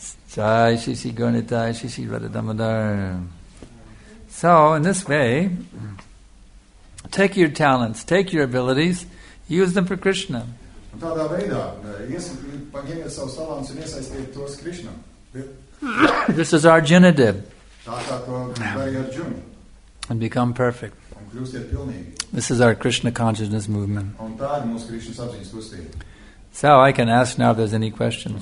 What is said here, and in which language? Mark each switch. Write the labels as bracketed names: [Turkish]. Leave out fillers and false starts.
[English] Jai Shishi Gornitai Shishi Radhadamadar. So, in this way, take your talents, take your abilities, use them for Krishna. [Latvian] Tādā veidā, paņemiet savus talants un iesaistiet tos Krishnam. [English] This is Arjuna did. [Latvian] Tā kā to darīja Arjuna. [English] And become perfect. [Latvian] Un kļūstiet pilnīgi. [English] This is our Krishna consciousness movement. [Latvian] Un tā ir mūsu Krishna sapziņas kustība. [English] So I can ask now if there's any questions.